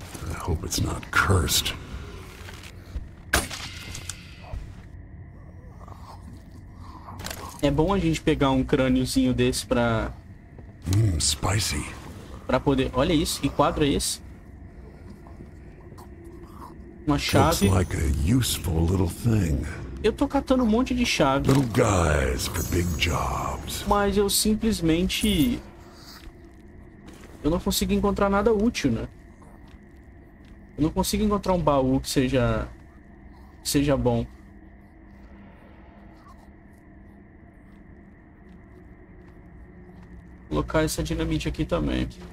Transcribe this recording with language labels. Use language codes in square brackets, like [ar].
[en] I hope it's not cursed. [pt] É bom a gente pegar um crâniozinho desse pra... [en] spicy. [pt] Pra poder... Olha isso, que quadro é esse? Uma chave. [en] Looks like a useful little thing. [pt] Eu tô catando um monte de chave. [en] Little guys for big jobs. [pt] Mas eu simplesmente... Eu não consigo encontrar nada útil, né? Eu não consigo encontrar um baú que seja... Que seja bom. Vou colocar essa dinamite aqui também.